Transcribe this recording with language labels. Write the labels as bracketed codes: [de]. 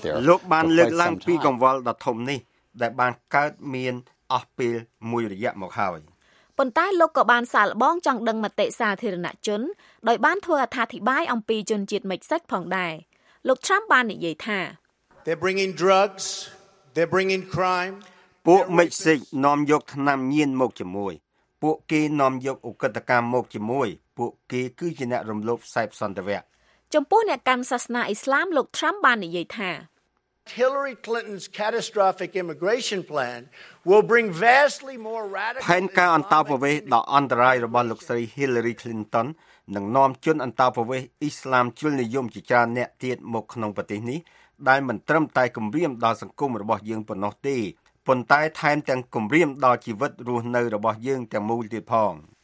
[km] លោកបានលើកឡើងពីកង្វល់ដ៏ធំនេះដែលបានកើតមានអស់ពេលមួយរយៈមកហើយ ប៉ុន្តែលោកក៏បានសាកល្បងចង់ដឹងមតិសាធារណជនដោយបានធ្វើអត្ថាធិប្បាយអំពីជនជាតិមិចសិកផងដែរលោក Trump បាននិយាយថា [en] They're bringing drugs they're bringing crime [km] ពួកមិចសិកនាំយកថ្នាំញៀនមកជាមួយពួកគេនាំយកឧក្រិដ្ឋកម្មមកជាមួយពួកគេគឺជាអ្នករំលោភសិទ្ធិសន្តិវៈ ចំពោះអ្នកកាន់សាសនាអ៊ីស្លាមលោក Trump បាននិយាយថា [en] Hillary Clinton's catastrophic immigration plan will bring vastly more radical [km] ផែនការអន្តោប្រវេសន៍ដ៏អន្តរាយរបស់លោកស្រី Hillary Clinton នឹងនាំជនអន្តោប្រវេសន៍អ៊ីស្លាមជ្រុលនិយមជាច្រើនអ្នកទៀតមកក្នុងប្រទេសនេះដែលមិនត្រឹមតែគំរាមដល់សង្គមរបស់យើងប៉ុណ្ណោះទេប៉ុន្តែថែមទាំងគំរាមដល់ជីវិតរស់នៅរបស់យើងទាំងមូលទៀតផង